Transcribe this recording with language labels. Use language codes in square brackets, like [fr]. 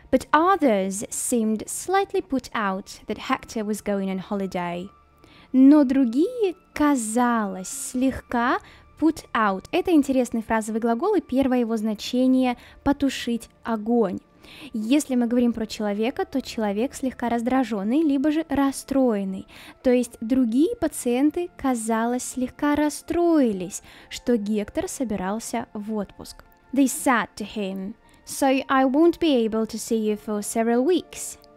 [en] But others seemed slightly put out that Hector was going on holiday. [ru] Но другие, казалось, слегка [en] put out. [ru] Это интересный фразовый глагол, и первое его значение – потушить огонь. Если мы говорим про человека, то человек слегка раздраженный, либо же расстроенный. То есть другие пациенты, казалось, слегка расстроились, что Гектор собирался в отпуск. [en] They said to him, "So I won't be able to see you for several weeks."